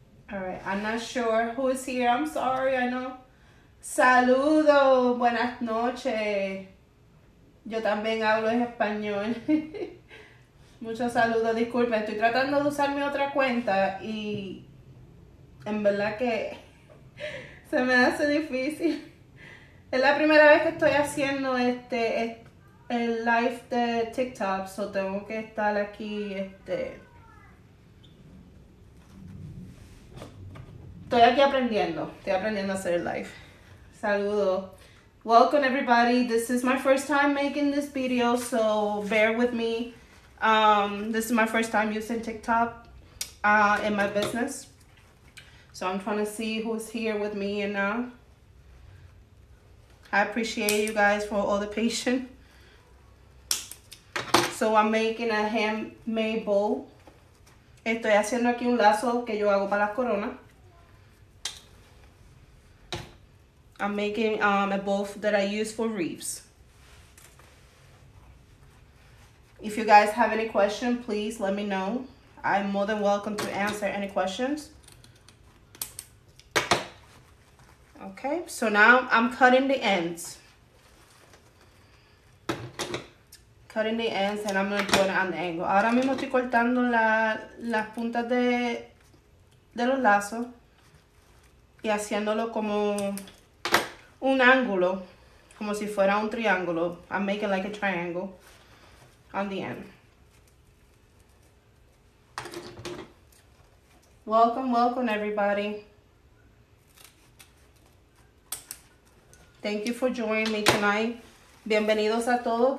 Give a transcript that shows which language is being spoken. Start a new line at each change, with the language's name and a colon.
English: All right, I'm not sure who is here. I'm sorry, I know.
Spanish: Saludo, buenas noches. Yo también hablo en español. Muchos saludos, disculpen. Estoy tratando de usar mi otra cuenta y en verdad que se me hace difícil. Es la primera vez que estoy haciendo el live de TikTok, so tengo que estar aquí, estoy aquí aprendiendo, estoy aprendiendo a hacer el live. Saludo.
English: Welcome everybody. This is my first time making this video, so bear with me. This is my first time using TikTok in my business. So I'm trying to see who's here with me and now. I appreciate you guys for all the patience. So I'm making a handmade bowl.
Spanish: Estoy haciendo aquí un lazo que yo hago para las coronas.
English: I'm making a bowl that I use for wreaths. If you guys have any questions, please let me know. I'm more than welcome to answer any questions. Okay, so now I'm cutting the ends. Cutting the ends and I'm going to do it on the angle.
Spanish: Ahora mismo estoy cortando las puntas de los lazos y haciéndolo como un ángulo, como si fuera un triángulo.
English: I'm making like a triangle on the end. Welcome, welcome everybody. Thank you for joining me tonight.
Spanish: Bienvenidos a todos.